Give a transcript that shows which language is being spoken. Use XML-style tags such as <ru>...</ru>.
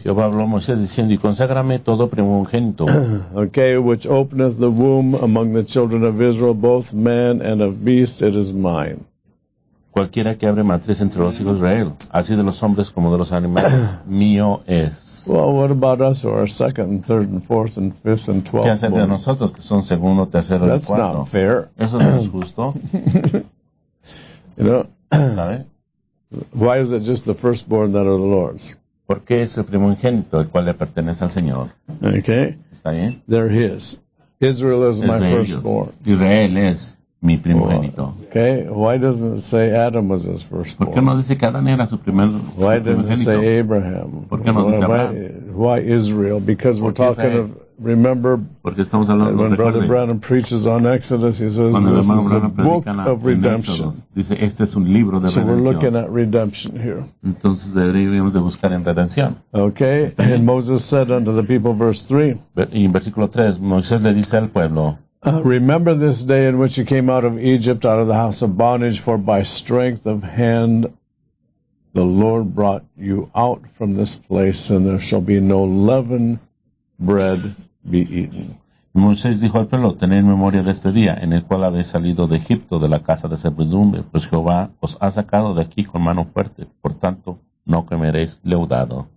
<es>Jehová habló a Moisés diciendo, y conságrame todo primogénito.</es> <en>Okay, which openeth the womb among the children of Israel, both man and of beast, it is mine.</en> <es>Cualquiera que abre matriz entre los hijos de Israel, así de los hombres como de los animales, mío es.</es> <en>Well, what about us who are second, and third, and fourth, and fifth, and twelfth?</en> <es>¿Qué hacen de nosotros que son segundo, tercero,</es> <en>that's</en> <es>y cuarto?</es> <en>Not fair.</en> <es>Eso no es justo.</es> <en>You know,</en> <es>¿sabes?</es> <en>Why is it just the firstborn that are the Lord's?</en> <es>Porque es el primogénito el cual le pertenece al Señor.</es> <en>Okay.</en> <es>¿Está bien?</es> <en>They're his. Israel is my firstborn.</en> <es>Israel es mi primogénito.</es> <en>Okay. Why doesn't it say Adam was his firstborn?</en> <es>¿Por qué no dice que Adán era su primer primogénito?</es> <en>Why didn't it say Abraham?</en> <es>¿Por qué no dice Abraham?</es> <en>Why Israel? Because we're talking of, remember, when Brother Branham preaches on Exodus, he says this is a book of redemption.</en> <es>Dice, este es un libro de</es> <en>so we're looking at redemption here.</en> <es>Entonces deberíamos de buscar en redención.</es> <en>Okay, and Moses said unto the people, verse 3,</en> <es>y en versículo 3, Moisés le dice al pueblo,</es> <en>remember this day in which you came out of Egypt, out of the house of bondage, for by strength of hand the Lord brought you out from this place, and there shall be no leaven bread be eaten.</en> <es>Moisés dijo al pueblo, tened memoria de este día en el cual habéis salido de Egipto de la casa de servidumbre, pues Jehová os ha sacado de aquí con mano fuerte, por tanto no comeréis leudado.</es>